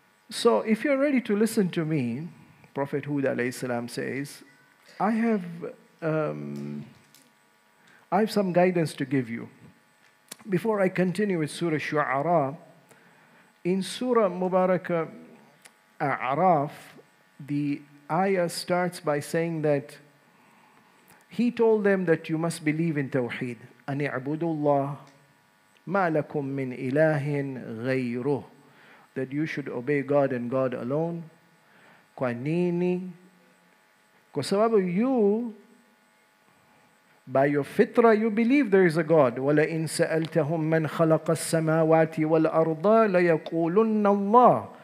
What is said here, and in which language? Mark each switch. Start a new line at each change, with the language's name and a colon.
English: So if you're ready to listen to me, Prophet Hud alayhi salam says, I have some guidance to give you. Before I continue with Surah Shu'ara, in Surah Mubarakah A'raf, the ayah starts by saying that he told them that you must believe in tawheed.
Arabic: أن اعبدوا الله ما لكم من إله غيره.
English: That you should obey God and God alone.
Swahili: Kwa nini? Kwa sababu
English: you, by your fitra, you believe there is a God.
Arabic: وَلَئِنْ سَأَلْتَهُمْ مَنْ خَلَقَ السَّمَاوَاتِ وَالْأَرْضَ لَيَقُولُنَّ اللَّهِ.